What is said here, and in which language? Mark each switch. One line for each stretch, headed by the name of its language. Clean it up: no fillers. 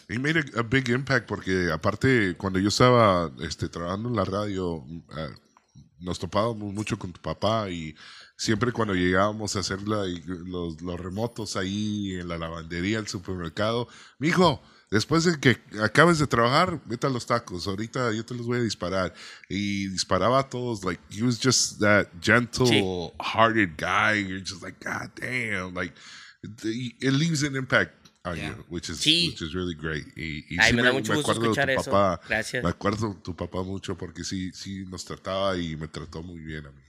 English: He made a big impact
Spanish: porque, aparte, cuando yo estaba trabajando en la radio, nos topábamos mucho con tu papá y siempre cuando llegábamos a hacer los remotos ahí en la lavandería, el supermercado, mi hijo, después de que acabes de trabajar, vete a los tacos. Ahorita yo te los voy a disparar. Y disparaba a todos.
English: Like, he was just that gentle-hearted guy. You're just like, God damn. Like, it leaves an impact on you, which is really great.
Spanish: Y ay, sí, me da mucho gusto escuchar eso. Papá. Gracias. Me acuerdo tu papá mucho porque sí nos trataba y me trató muy bien a mí.